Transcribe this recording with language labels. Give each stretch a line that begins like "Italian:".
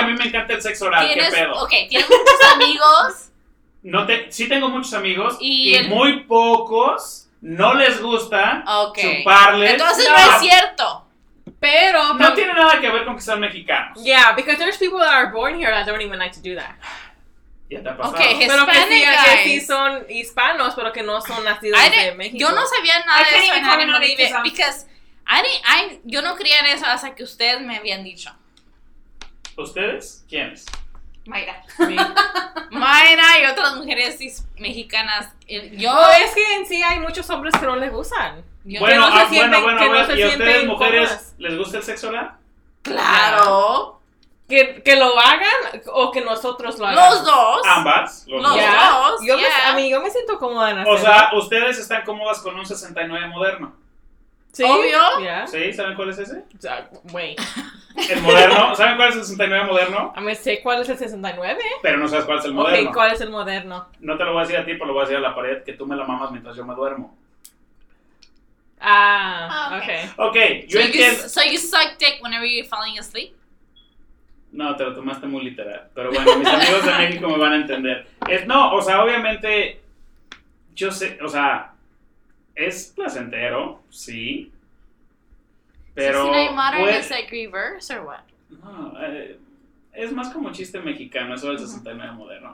Spanish: Y a mí me encanta el sexo oral, ¿tienes... qué pedo. Okay, ¿tienes muchos amigos? Sí tengo muchos amigos y el... muy pocos no les gusta okay. Chuparles. Entonces no es cierto. Pero no tiene nada que ver con que sean mexicanos.
English: Yeah, because there's people that are born here that don't even like to do that.
Spanish: Ya te ha pasado. Ok, Hispanic pero que sí son hispanos, pero que no son nacidos de México. Yo no sabía nada de eso.
English: Because
Spanish: yo no creía en eso hasta que ustedes me habían dicho. ¿Ustedes? ¿Quiénes? Mayra. Sí. Mayra y otras mujeres mexicanas. Yo, no, es que en sí hay muchos hombres que no les gustan. Yo, bueno, no ah, sienten, bueno, bueno, bueno. No ¿y a ustedes, mujeres, les gusta el sexo oral? Claro. ¿Que lo hagan o que nosotros lo hagan? Los dos. Ambas. Los dos. Yo
English: yeah.
Spanish: A mí, yo me siento cómoda en hacer. O sea, ustedes están cómodas con un 69 moderno. ¿Sí? Obvio.
English: Yeah.
Spanish: ¿Sí? ¿Saben cuál es ese?
English: Wait.
Spanish: ¿El moderno? ¿Saben cuál es el 69 moderno? A mí sé cuál es el 69. Pero no sabes cuál es el moderno. Ok, ¿cuál es el moderno? No te lo voy a decir a ti, pero lo voy a decir a la pared, que tú me la mamas mientras yo me duermo. Ah, ok. Ok, yo entiendo.
English: So you suck dick whenever you're falling asleep?
Spanish: No, te lo tomaste muy literal. Pero bueno, mis amigos de México me van a entender. Es, no, o sea, obviamente, yo sé, o sea, es placentero, sí. Pero. ¿Es una
English: modern
Spanish: pues,
English: is like reverse or what?
Spanish: No, es más como chiste mexicano, eso del 69 moderno.